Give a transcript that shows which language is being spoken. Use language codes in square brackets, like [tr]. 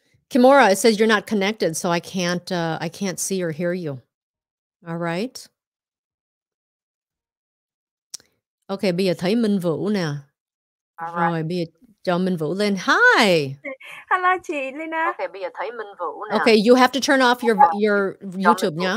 [en] Kimora, it says you're not connected, so I can't see or hear you. All right. [vi] Okay, bây giờ thấy Minh Vũ nè. [en] All right. [vi] Rồi, bây giờ cho Minh Vũ lên. [en] Hi. Hello, chị Lina. [vi] Okay, bây giờ thấy Minh Vũ nè. [en] Okay, you have to turn off your YouTube, nha.